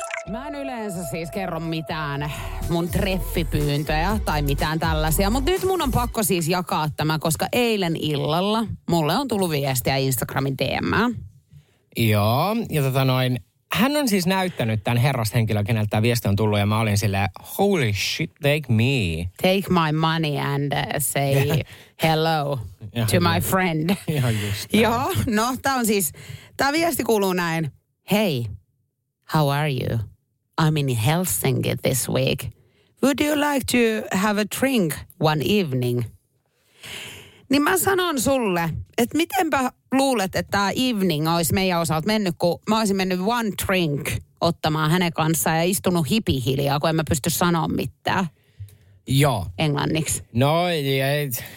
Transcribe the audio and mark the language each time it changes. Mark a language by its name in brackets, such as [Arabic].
[Finnish] Mä en yleensä siis kerro mitään mun treffipyyntöjä tai mitään tällaisia, mutta nyt mun on pakko siis jakaa tämä, koska eilen illalla mulle on tullut viestiä Instagramin DM:ään. Joo, ja hän on siis näyttänyt tämän herrashenkilön, keneltä tämä viesti on tullut, ja mä olin silleen, [English] holy shit, take me. Take my money and say hello to my friend. [Finnish] Ihan just näin. Joo, no tämä on siis, tämä viesti kuuluu näin, hei. [English] How are you? I'm in Helsinki this week. Would you like to have a drink one evening? [Finnish] Niin mä sanon sulle, että mitenpä luulet, että tämä evening olisi meidän osalta mennyt, kun mä olisin mennyt [English] one drink [Finnish] ottamaan hänen kanssaan ja istunut hipihiljaa, kun en mä pysty sanoa mitään. Joo. Englanniksi. No, ei.